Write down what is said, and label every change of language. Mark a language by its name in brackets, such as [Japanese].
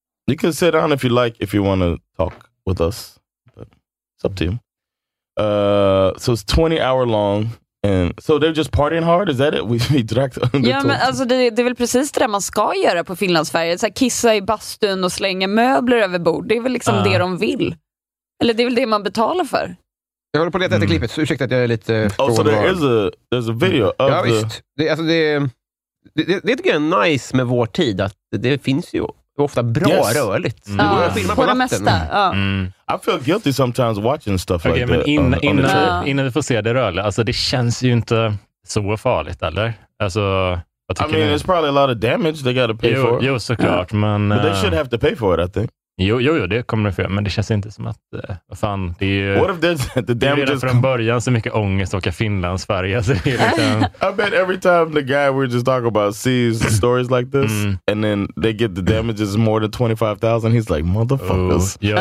[English] You can sit down if you like, if you want to talk with us. But it's up to you. So it's 20 hour long. And so they're just partying hard, is that it? We drank under. [Swedish] Ja, men alltså det är väl precis det där man ska göra på Finlandsfärja. Så här, kissa i bastun och slänga möbler över bord. Det är väl liksom det de vill. Eller det är väl det man betalar för. Jag håller på att leta efter klippet. Ursäkta att jag är lite [English] frågad. Oh, so there's a video of [Swedish] ja, visst. Det tycker jag är nice med vår tid. Att det finns ju ofta bra rörligt. Det går att filma på natten. [English] I feel guilty sometimes watching stuff okay, like men that. [Swedish] Innan vi får se det rörliga, alltså det känns ju inte så farligt, eller? Alltså, vad tycker ni? [English] It's probably a lot of damage they gotta pay for. [Swedish] Jo, såklart, men... [English] But they should have to pay for it, I think. [Swedish] Jo, det kommer det för, men det känns inte som att... vad fan, det är ju... [English] What if the damage is... [Swedish] från början så mycket ångest att åka Finland, Sverige, så det är liksom... [English] I bet every time the guy we're just talking about sees stories like this, and then they get the damages more than 25,000, he's like, motherfuckers.